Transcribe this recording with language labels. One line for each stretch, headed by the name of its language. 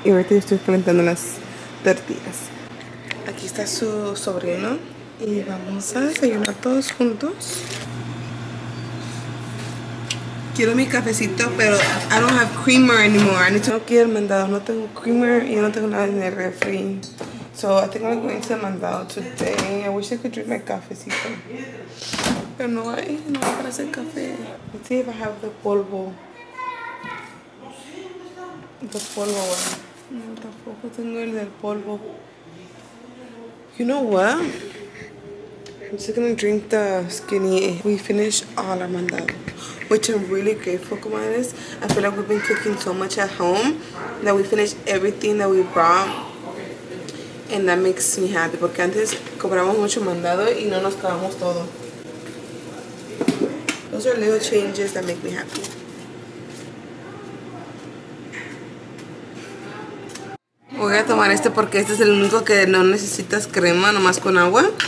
Spanish: Y ahorita yo estoy calentando las tortillas. Aquí está su sobrino. Y vamos a desayunar todos juntos. Quiero mi cafecito, pero
English: I don't have creamer anymore. I need to...
Spanish: No quiero el mandado. No tengo creamer y yo no tengo nada en el refri.
English: So I think I'm going to mandado today. I wish I could drink my cafecito.
Spanish: Pero no hay, no hay para hacer café.
English: Let's see if I have the polvo.
Spanish: The polvo, bueno. No, tampoco tengo el del polvo.
English: You know what? I'm just gonna drink the skinny. We finished all our mandado. Which I'm really grateful, comadres. I feel like we've been cooking so much at home that we finished everything that we brought. And that makes me happy.
Spanish: Porque antes compramos mucho mandado y no nos acabamos todo.
English: Those are little changes that make me happy.
Spanish: Voy a tomar este porque este es el único que no necesitas crema, nomás con agua.